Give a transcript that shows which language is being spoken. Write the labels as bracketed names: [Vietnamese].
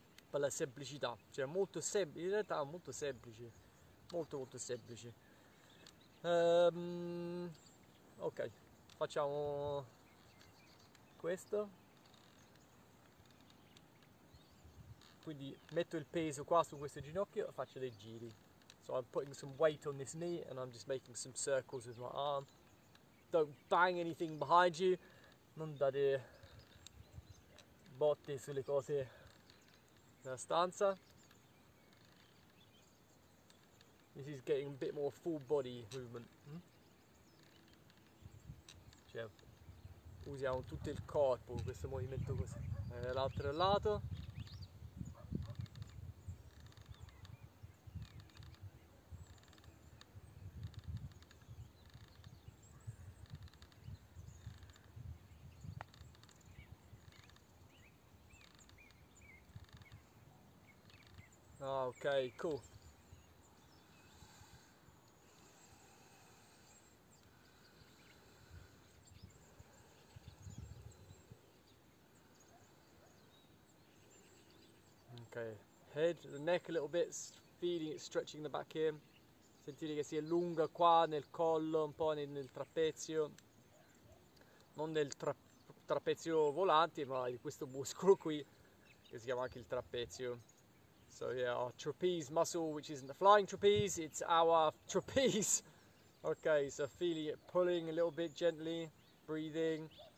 [Italian] Per la semplicità, cioè molto semplice, in realtà molto semplice, molto molto semplice. Ok, facciamo questo. Quindi metto il peso qua su questo ginocchio e faccio dei giri. [English] So I'm putting some weight on this knee and I'm just making some circles with my arm. Don't bang anything behind you. [Italian] Non dare botte sulle cose nella stanza. [English] This is getting a bit more full body movement. [Italian] Cioè, usiamo tutto il corpo, questo movimento così. L'altro lato. [English] Ok, cool. Okay, head, the neck a little bit, feeling it stretching the back here. [Italian] Sentire che si allunga qua nel collo, un po' nel trapezio. Non nel trapezio volante, ma di questo muscolo qui, che si chiama anche il trapezio. [English] So yeah, our trapeze muscle, which isn't the flying trapeze, it's our trapeze. Okay, so feeling it pulling a little bit gently, breathing.